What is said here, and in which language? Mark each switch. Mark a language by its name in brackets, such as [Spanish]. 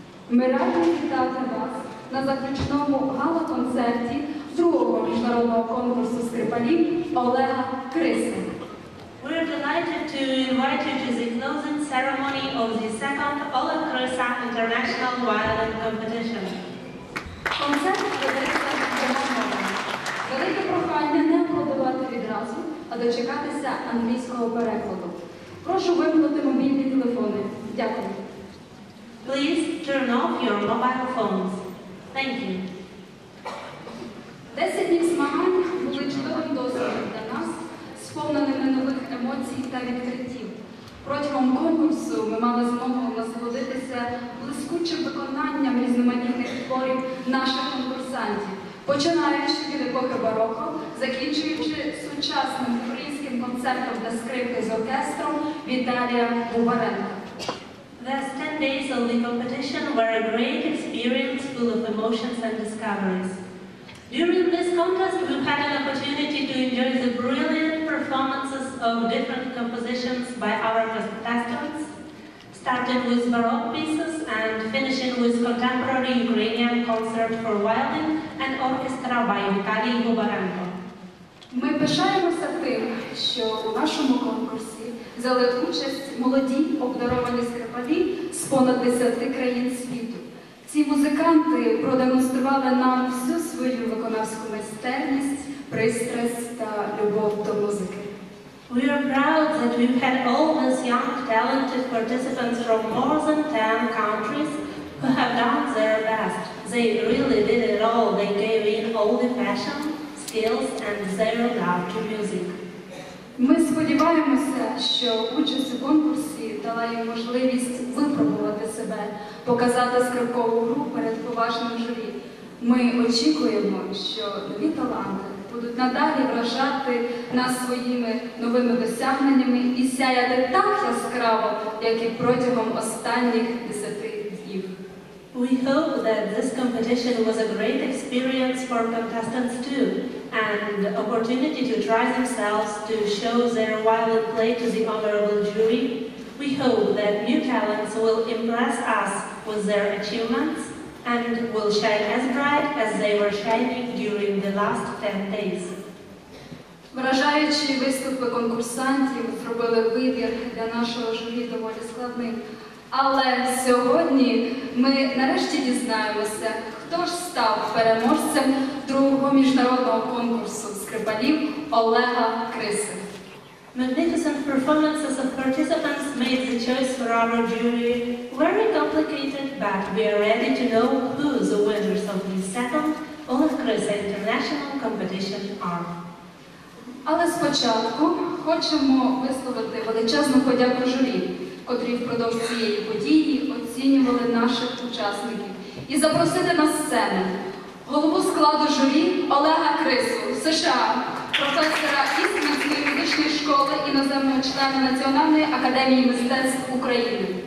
[Ukrainian] Ми раді вітати вас на заключному гала-концерті другого міжнародного конкурсу скрипалів Олега Криси. [English] We are delighted to invite you to the closing ceremony of the second Oleh Krysa International Violin Competition. [Ukrainian] Концерт ведеться дуже гарно. Велике прохання не аплодувати відразу, а дочекатися англійського перекладу. Прошу вимкнути мобільні телефони. Дякую. [English] Please turn off your mobile phones. Thank you. [Ukrainian] 10 днів змагань були чудовим досвідом для нас, сповненими нових емоцій та відкриттів. Протягом конкурсу ми мали змогу насолодитися блискучим виконанням різноманітних творів наших конкурсантів, починаючи від епохи бароко, закінчуючи сучасним українським концертом для скрипки з оркестром Віталія Бубаренка. [English] The 10 days of the competition were a great experience full of emotions and discoveries. During this contest, we had an opportunity to enjoy the brilliant performances of different compositions by our contestants, starting with baroque pieces and finishing with contemporary Ukrainian concert for violin and orchestra by Vitaly Bubarenko. [Ukrainian] Ми пишаємося тим, що у нашому конкурсі взяли участь молоді обдаровані скрипалі з понад 10 країн світу. Ці музиканти продемонстрували нам всю свою виконавську майстерність, пристрасть та любов до музики. [English] We are proud that we've had all these young, talented participants from more than 10 countries who have done their best. They really did it all. They gave in all the passion, skills and their love to music. [Ukrainian] Ми сподіваємося, що участь у конкурсі дала їм можливість випробувати себе, показати скрипкову гру перед поважним журі. Ми очікуємо, що нові таланти будуть надалі вражати нас своїми новими досягненнями і сяяти так яскраво, як і протягом останніх 10 днів. [English] We hope that this competition was a great experience for contestants too. And the opportunity to try themselves to show their violin play to the honorable jury. We hope that new talents will impress us with their achievements and will shine as bright as they were shining during the last 10 days. [Ukrainian] Вражаючі виступи конкурсантів зробили вибір для нашого журі доволі складним. Але сьогодні ми нарешті дізнаємося, хто ж став переможцем другого міжнародного конкурсу скрипалів Олега Криси. [English] Magnificent performances of participants made the choice for our jury very complicated, but we are ready to know who the winners of the second Олег Криса International Competition are. [Ukrainian] Але спочатку хочемо висловити величезну подяку журі, котрі впродовж цієї події оцінювали наших учасників, і запросити на сцену голову складу журі Олега Крису в США, професора Іспанської музичної школи іноземного члена Національної академії мистецтв України.